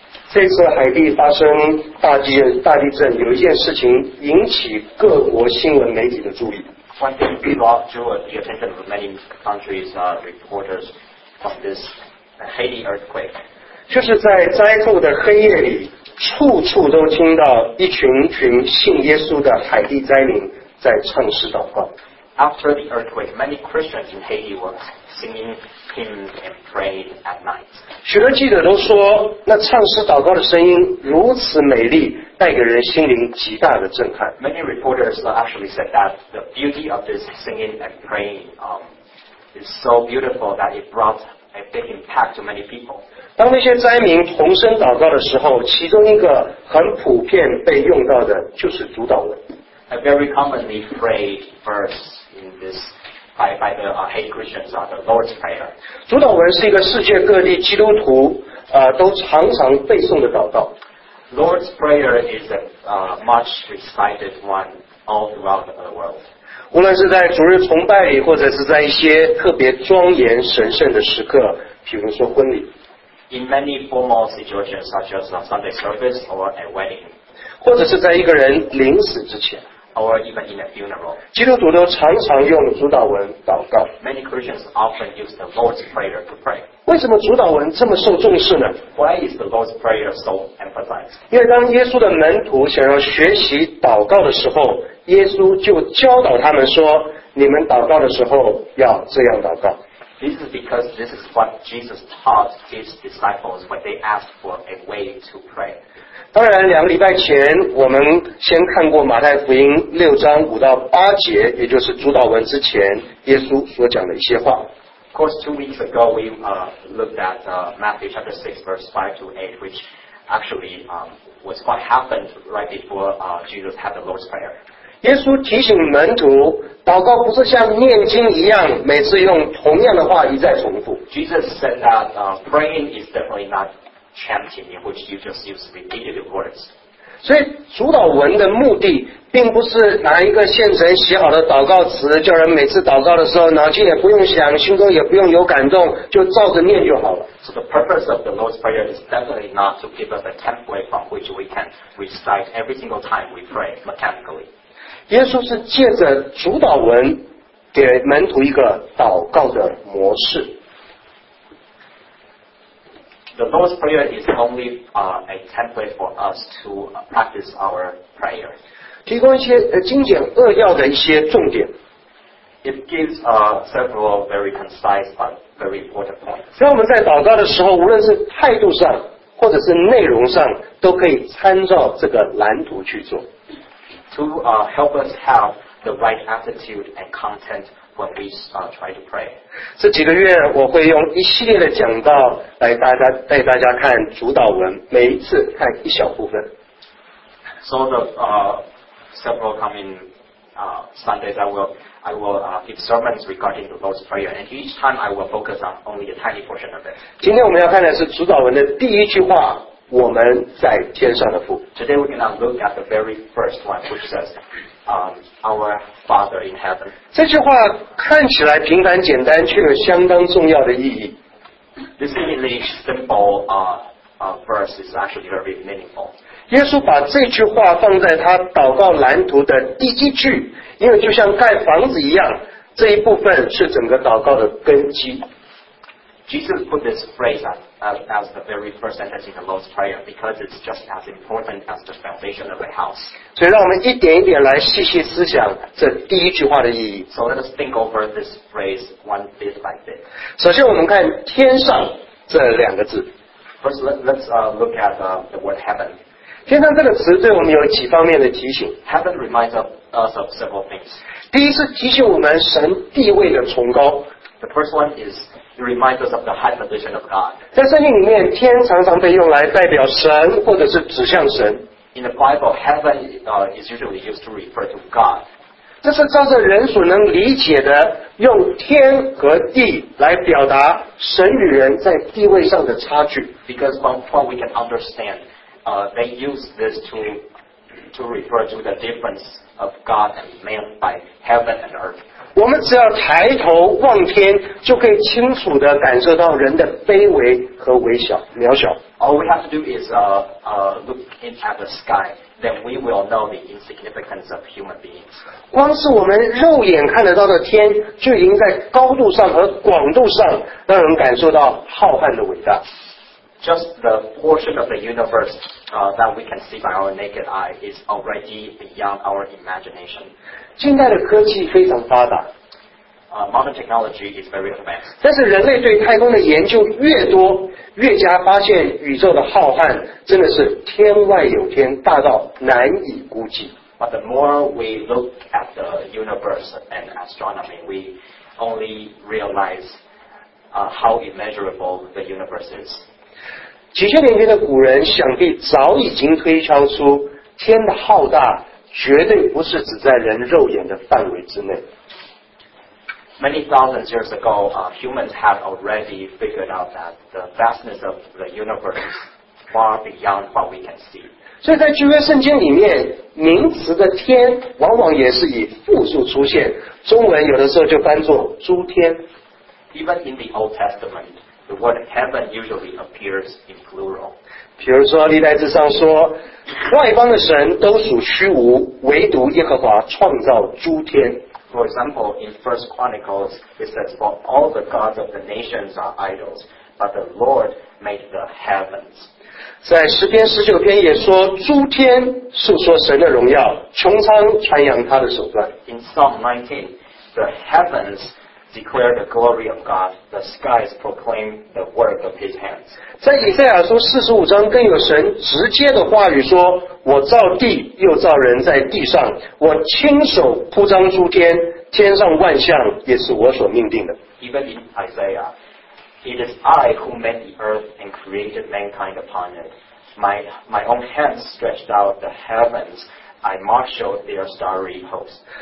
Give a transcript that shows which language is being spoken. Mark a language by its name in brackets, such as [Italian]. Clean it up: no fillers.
[Chinese] 这次海地发生大地震，有一件事情引起各国新闻媒体的注意。 [English] One thing brought to the attention of many countries, reporters of this Haiti earthquake. [Chinese] 就是在灾后的黑夜里，处处都听到一群群信耶稣的海地灾民在唱诗祷告。 [English] After the earthquake, many Christians in Haiti were singing hymns and praying at night. [Chinese] 许多记者都说，那唱诗祷告的声音如此美丽，带给人心灵极大的震撼。 [English] Many reporters actually said that the beauty of this singing and praying is so beautiful that it brought a big impact to many people. [Chinese] 当那些灾民同声祷告的时候，其中一个很普遍被用到的就是主导文。 [English] A very commonly prayed verse in this by the Haiti Christians are the Lord's Prayer. [Chinese] 主导文是一个世界各地基督徒都常常背诵的祷告。 [English] Lord's Prayer is a much recited one all throughout the world. [Chinese] 无论是在主日崇拜里，或者是在一些特别庄严神圣的时刻，比如说婚礼。 [English] In many formal situations, such as a Sunday service or a wedding. [Chinese] 或者是在一个人临死之前 [English] or even in a funeral, [Chinese] 基督徒都常常用主导文祷告。 [English] Many Christians often use the Lord's Prayer to pray. [Chinese] 为什么主导文这么受重视呢？ [English] Why is the Lord's Prayer so emphasized? [Chinese] 因为当耶稣的门徒想要学习祷告的时候，耶稣就教导他们说，你们祷告的时候要这样祷告。 [English] This is because this is what Jesus taught his disciples when they asked for a way to pray. [Chinese] 当然两个礼拜前我们先看过马太福音六章五到八节，也就是主导文之前耶稣所讲的一些话。 [English] Of course, 2 weeks ago we looked at Matthew chapter 6 verse 5 to 8 which actually was what happened right before Jesus had the Lord's Prayer. [Chinese] 耶稣提醒门徒祷告不是像念经一样每次用同样的话一再重复。 [English] Jesus said that praying is definitely notChanting in which you just use repeated words. [Chinese] 所以主导文的目的并不是拿一个现成写好的祷告词，叫人每次祷告的时候脑筋也不用想，心中也不用有感动，就照着念就好了。 [English] So the purpose of the Lord's Prayer is definitely not to give us a template from which we can recite every single time we pray mechanically. [Chinese] 耶稣是借着主导文给门徒一个祷告的模式。 [English] The Lord's Prayer is only a template for us to practice our prayer. [Chinese] 提供一些精简扼要的一些重点。 [English] It gives several very concise but very important points. [Chinese] 所以我们在祷告的时候，无论是态度上或者是内容上，都可以参照这个蓝图去做。 [English] To help us have the right attitude and content. When we try to pray. [Chinese] 这几个月我会用一系列的讲道来带大家看主导文，每一次看一小部分。 [English] So the several coming Sundays I will give sermons regarding the Lord's Prayer, and each time I will focus on only a tiny portion of it. [Chinese] 今天我们要看的是主导文的第一句话，我们在天上的父。 [English] Today we're going to look at the very first one, which says. Our Father in heaven. [Chinese] 这句话看起来平凡简单，却有相当重要的意义。 [English] This seemingly simple verse is actually very meaningful. [Chinese] 耶稣把这句话放在他祷告蓝图的第一句，因为就像盖房子一样，这一部分是整个祷告的根基。 [English] Jesus put this phrase as the very first sentence in the Lord's Prayer because it's just as important as the foundation of a house. [Chinese] 所以让我们一点一点来细细思想这第一句话的意义。 [English] So let us think over this phrase one bit by bit. [Chinese] 首先我们看天上这两个字。 [English] First, let's look at the word heaven. [Chinese] 天上这个词对我们有几方面的提醒。 [English] Heaven reminds us of several things. [Chinese] 第一是提醒我们神地位的崇高。 [English] The first one is... It reminds us of the high position of God. [Chinese] 在圣经里面，天常常被用来代表神，或者是指向神。 [English] In the Bible, heaven is usually used to refer to God. [Chinese] 这是照着人所能理解的，用天和地来表达神与人在地位上的差距。 [English] Because from what we can understand, they use this to refer to the difference of God and man by heaven and earth. [Chinese] 我们只要抬头望天，就可以清楚地感受到人的卑微和微小渺小。 [English] All we have to do is look at the sky, then we will know the insignificance of human beings. [Chinese] 光是我们肉眼看得到的天，就已经在高度上和广度上让人感受到浩瀚的伟大。 [English] Just the portion of the universe that we can see by our naked eye is already beyond our imagination. [Chinese] 近代的科技非常发达。 [English] Modern technology is very advanced. [Chinese] 但是人类对太空的研究越多，越加发现宇宙的浩瀚真的是天外有天，大到难以估计。 [English] But the more we look at the universe and astronomy, we only realize how immeasurable the universe is. [Chinese] 几千年前的古人想必早已经推敲出天的浩大绝对不是只在人肉眼的范围之内。 [English] Many thousands years ago, humans have already figured out that the vastness of the universe is far beyond what we can see. [Chinese] 所以在旧约圣经里面，名词的天往往也是以复数出现，中文有的时候就翻作诸天。 [English] Even in the Old Testament,The word heaven usually appears in plural. [Chinese] 比如说历代志上说外邦的神都属虚无，唯独耶和华创造诸天。 [English] For example, in 1 Chronicles, it says, For all the gods of the nations are idols, but the Lord made the heavens. [Chinese] 在诗篇19篇也说诸天诉说神的荣耀，穹苍传扬他的手段。 [English] In Psalm 19, the heavens,declare the glory of God, the skies proclaim the work of his hands. [Chinese] 在以赛亚书45章更有神直接的话语说，我造地又造人在地上，我亲手铺张诸天，天上万象也是我所命定的。 [English] Even in Isaiah, it is I who made the earth and created mankind upon it. My own hands stretched out the heavens. I marshaled their starry host.